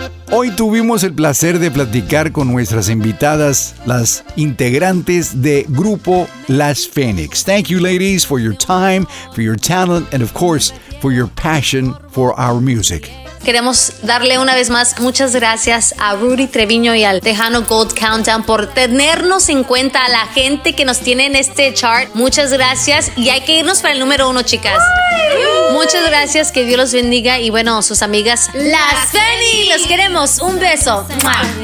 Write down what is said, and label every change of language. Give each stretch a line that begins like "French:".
Spanish: Hoy tuvimos el placer de platicar con nuestras invitadas, las integrantes de Grupo Las Fénix.
English: Thank you, ladies, for your time, for your talent, and of course, for your passion for our music.
Spanish: Queremos darle una vez más muchas gracias a Rudy Treviño y al Tejano Gold Countdown por tenernos en cuenta, a la gente que nos tiene en este chart. Muchas gracias. Y hay que irnos para el número uno, chicas. ¡Ay! Muchas gracias. Que Dios los bendiga. Y bueno, sus amigas, las Fénix. Los queremos. Un beso. ¡Mua!